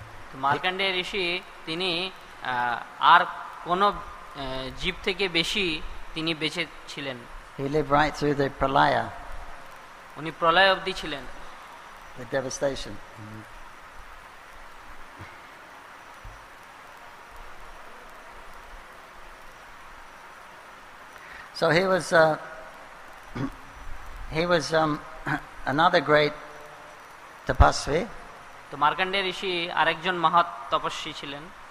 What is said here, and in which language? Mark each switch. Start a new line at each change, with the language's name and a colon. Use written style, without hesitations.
Bangla: তো মার্কণ্ডেয় ঋষি তিনি আর কোন জীব থেকে বেশি তিনি বেঁচে ছিলেন।
English: He lived right through the pralaya.
Bangla: উনি প্রলয় অবধি ছিলেন।
English: The devastation. So he was another great tapasvi.
Bangla: তো মার্কণ্ডেয় ঋষি আরেকজন মহৎ তপস্বী ছিলেন।